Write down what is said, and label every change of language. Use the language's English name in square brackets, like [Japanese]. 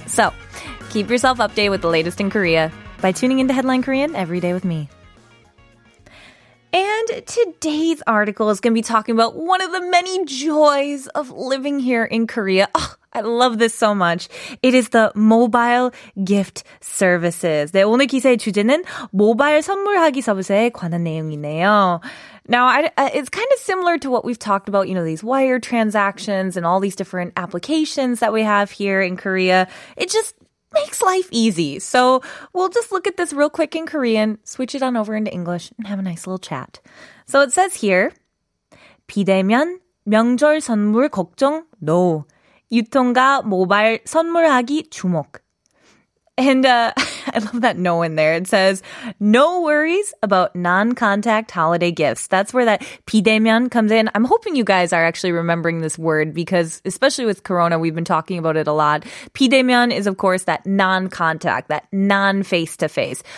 [English] So, keep yourself updated with the latest in Korea by tuning into Headline Korean every day with me. And today's article is going to be talking about one of the many joys of living here in Korea. Oh, I love this so much. It is the mobile gift services. [Korean] 네, 오늘 기사의 주제는 모바일 선물하기 서비스에 관한 내용이네요. [English] Now, it's kind of similar to what we've talked about, you know, these wire transactions and all these different applications that we have here in Korea. It just makes life easy. So we'll just look at this real quick in Korean, switch it on over into English, and have a nice little chat. So it says here, [Korean] 비대면 명절 선물 걱정 [English] no. [Korean] 유통과 모바일 선물하기 주목. [English] And I love that no in there. It says, no worries about non-contact holiday gifts. That's where that 비대면 comes in. I'm hoping you guys are actually remembering this word because especially with Corona, we've been talking about it a lot. 비대면 is, of course, that non-contact, that non-face-to-face.